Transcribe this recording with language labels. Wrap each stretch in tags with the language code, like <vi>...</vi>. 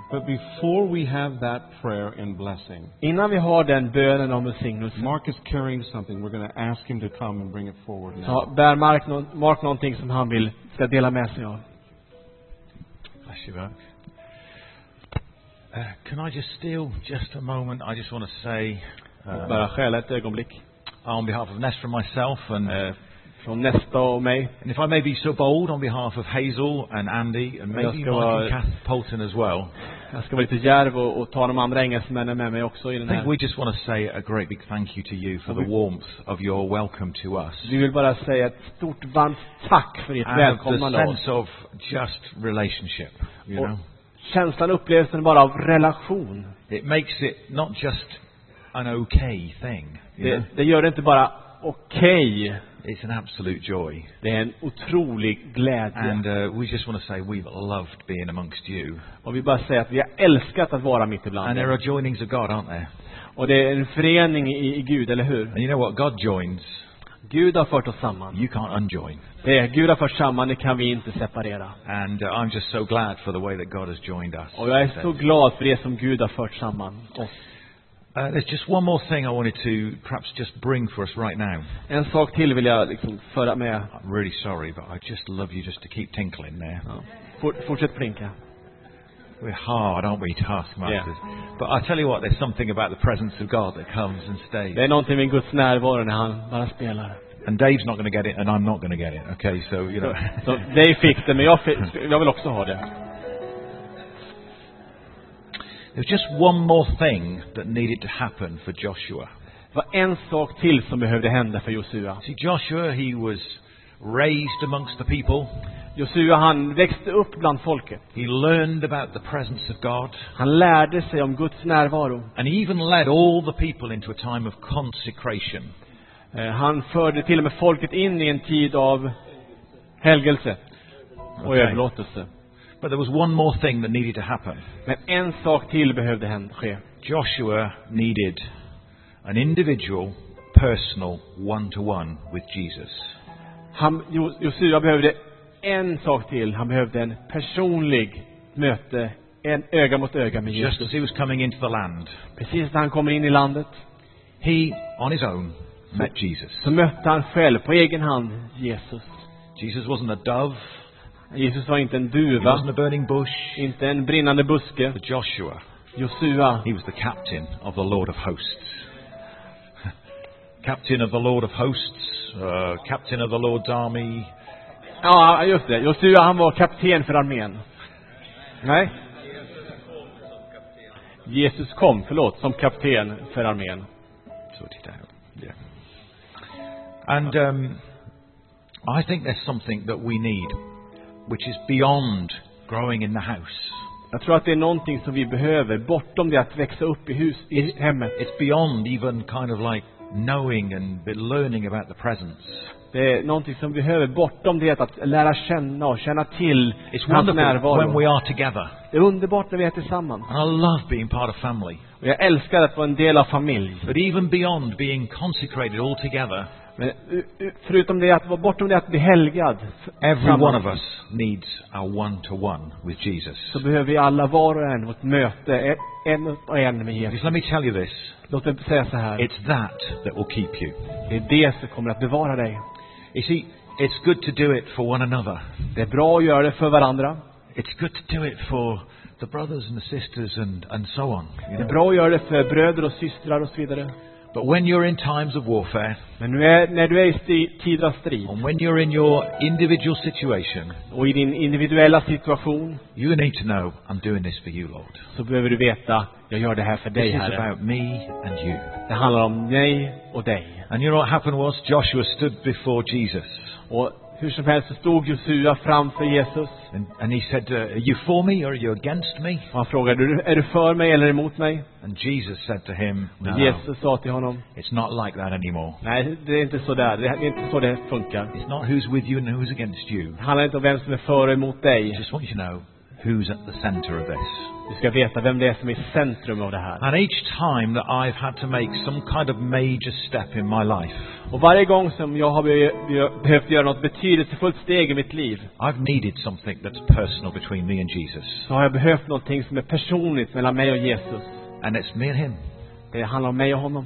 <en>But before we have that prayer and blessing.</en> <sv>Innan vi har den bönen om välsignelse.</sv> <en>Mark is carrying something. We're going to ask him to come and bring it forward now.</en> <sv>Så bär Mark någonting som han vill ska dela med sig av.</sv> <en>Bless you, Mark. Can I just steal just a moment? I just want to say</en> <sv>Bara skäla ett ögonblick.</sv> <en>On behalf of Nesta and myself and</en> <sv>from Nesta och mig.</sv> <en>And if I may be so bold on behalf of Hazel and Andy and maybe Kath Poulton as well.</en> <sv>Jag ska vara lite djärv och ta de andra engelsmännen med mig också i den här.</sv> <en>I think we just want to say a great big thank you to you for the warmth of your welcome to us.</en> <sv>Vi vill bara säga ett stort varmt tack för ditt välkomnande.</sv> <en>The sense of just relationship,</en> <sv>Känslan upplevelsen bara av relation.</sv> <en>It makes it not just an okay thing.</en> <sv>Det gör det inte bara okej.</sv> <en>It's an absolute joy.</en> <sv>Det är en otrolig glädje.</sv> <en>And we just want to say we've loved being amongst you.</en> <sv>Och vi bara säger att vi har älskat att vara mitt ibland.</sv> <en>And there are joinings of God, aren't there?</en> <sv>Och det är en förening i Gud, eller hur?</sv> <en>And you know what? God joins.</en> <sv>Gud har fört oss samman.</sv> <en>You can't unjoin.</en> <sv>Det är Gud har fört samman, det kan vi inte separera.</sv> <en>And I'm just so glad for the way that God has joined us.</en> <sv>Och jag är så glad för det som Gud har fört samman oss.</sv> <en>There's just one more thing I wanted to perhaps just bring for us right now.</en> <sv>En sak till vill jag liksom föra med.</sv> <en>I'm really sorry, but I just love you just to keep tinkling there.</en> <sv>Fortsätt plinka.</sv> <en>We're hard, aren't we, taskmasters? Yeah. But I tell you what, there's something about the presence of God that comes and stays.</en> <sv>Det är någonting med Guds närvaro när han bara spelar.</sv> <en>And Dave's not going to get it, and I'm not going to get it. Okay, so you know.</en> <sv>So Dave fick det, men jag vill också ha det.</sv> <en>There's just one more thing that needed to happen for Joshua.</en> <sv>Det var en sak till som behövde hända för Joshua.</sv> <en>See, Joshua, he was raised amongst the people.</en> <sv>Joshua, han växte upp bland folket.</sv> <en>He learned about the presence of God.</en> <sv>Han lärde sig om Guds närvaro.</sv> <en>And he even led all the people into a time of consecration.</en> <sv>Han förde till och med folket in i en tid av helgelse och överlåtelse.</sv> <en>But there was one more thing that needed to happen.</en> <sv>Men en sak till behövde ske.</sv> <en>Joshua needed an individual, personal, one-to-one with Jesus.</en> <sv>Joshua behövde en sak till. Han behövde en personlig möte, en öga mot öga med Jesus.</sv> <en>Just as he was coming into the land.</en> <sv>Precis när han kommer in i landet.</sv> <en>He, on his own, met Jesus.</en> <sv>Så mötte han själv på egen hand Jesus.</sv> <en>Jesus wasn't a dove.</en> <sv>Jesus var inte en duva.</sv> <en>He wasn't a burning bush.</en> <sv>Inte en brinnande buske.</sv> <en>But Joshua.</en> <sv>Joshua.</sv> <en>He was the captain of the Lord of hosts. Captain of the Lord of hosts. Captain of the Lord's army.</en> <sv>Ja, just det. Joshua, han var kapten för armén. Nej? Jesus kom, förlåt, som kapten för armén.</sv> <en>Sort it out. Yeah. And I think there's something that we need, which is beyond growing in the house.</en> <sv>Jag tror att det är någonting som vi behöver bortom det att växa upp i hus i hemmet.</sv> <en>It's beyond even kind of like knowing and learning about the presence.</en> <sv>Det är någonting som vi behöver bortom det att lära känna och känna till hans närvaro.</sv> <en>It's wonderful when we are together.</en> <sv>Det är underbart när vi är tillsammans.</sv> <en>And I love being part of family.</en> <sv>Och jag älskar att vara en del av familj.</sv> <en>But even beyond being consecrated all together.</en> <sv>Men förutom det att vara bortom det att bli helgad.</sv> <en>Every one of us needs a one-to-one with Jesus.</en> <sv>Så behöver vi alla var och en vårt möte en och en med Jesus.</sv> <en>Let me tell you this.</en> <sv>Låt mig säga så här.</sv> <en>It's that will keep you.</en> <sv>Det är det som kommer att bevara dig.</sv> <en>You see, it's good to do it for one another.</en> <sv>Det är bra att göra det för varandra.</sv> <en>It's good to do it for the brothers and the sisters and so on.</en> <sv>Det är bra att göra det för bröder och systrar och så vidare.</sv> <en>But when you're in times of warfare,</en> <sv>men när du är i tider av strid,</sv> <en>and when you're in your individual situation,</en> <sv>och i din individuella situation,</sv> <en>you need to know I'm doing this for you, Lord.</en> <sv>Så behöver du veta jag gör det här för dig,</sv> <en>this</en> <sv>Herre.</sv> <en>Is about me and you.</en> <sv>Det handlar om mig och dig.</sv> <en>And you know what happened was Joshua stood before Jesus.</en> <sv>Och hur som helst så stod Joshua framför Jesus.</sv> <en>And he said, are you for me or are you against me?</en> <sv>Och han frågade, är du för mig eller emot mig?</sv> <en>And Jesus said to him, no.</en> <sv>Och Jesus sa till honom,</sv> <en>it's not like that anymore.</en> <sv>Nej, det är inte så där. Det är inte så det funkar.</sv> <en>It's not who's with you and who's against you.</en> <sv>Det handlar inte om vem som är för och emot dig.</sv> <en>I just want you to know who's at the center of this.</en> <sv>Du ska veta vem det är som är centrum av det här.</sv> <en>And each time that I've had to make some kind of major step in my life.</en> <sv>Och varje gång som jag har behövt göra något betydelsefullt steg i mitt liv.</sv> <en>I've needed something that's personal between me and Jesus.</en> <sv>Så har jag behövt någonting som är personligt mellan mig och Jesus.</sv> <en>And it's me and him.</en> <sv>Det handlar om mig och honom.</sv>